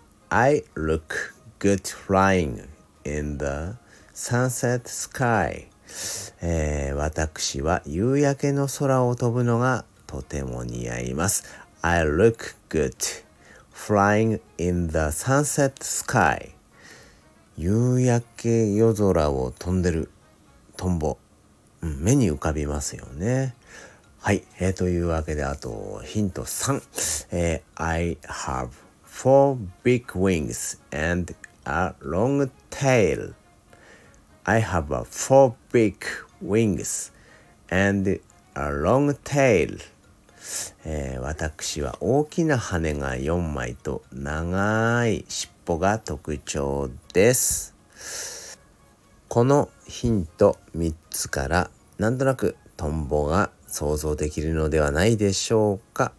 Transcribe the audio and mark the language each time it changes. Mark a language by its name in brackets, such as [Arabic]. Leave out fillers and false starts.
[English] I look good flying in the sunset sky. [Japanese] 私は夕焼けの空を飛ぶのがとても似合います。 [English] I look good flying in the sunset sky. [Japanese] 夕焼け夜空を飛んでるトンボ、目に浮かびますよね。はい、というわけであとヒント3。 [English] I have four big wings and a long tail. I have a four big wings and a long tail. [Japanese] 私は大きな羽が4枚と長い尻尾が特徴です。このヒント3つからなんとなくトンボが想像できるのではないでしょうか。